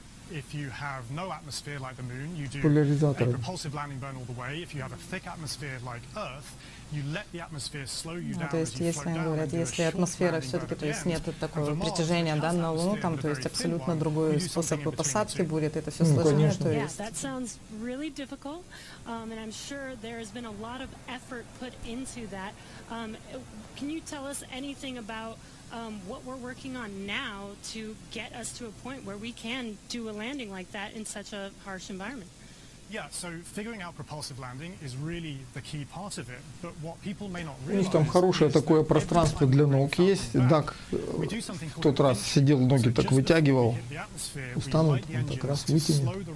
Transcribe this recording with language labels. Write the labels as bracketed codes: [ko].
[en] If you have no atmosphere like the moon, you do a repulsive landing burn all the way. If you have a thick atmosphere like Earth, you let the atmosphere slow you down. [ru] То есть, если они говорят, если атмосфера все-таки, то есть нет такого притяжения, да, на Луну, там, то есть абсолютно другой способ посадки будет, это все сложно. [en] That sounds really difficult, and I'm sure there has been a lot of effort put into that. Can you tell us anything about what we're working on now to get us to a point where we can do a landing like that in such a harsh environment? Yeah, so figuring out propulsive landing is really the key part of it. But what people may not realize. [ru] У них там хорошее такое пространство для ног есть. Дак в тот раз сидел, ноги так вытягивал. Устанут, он так раз вытянет.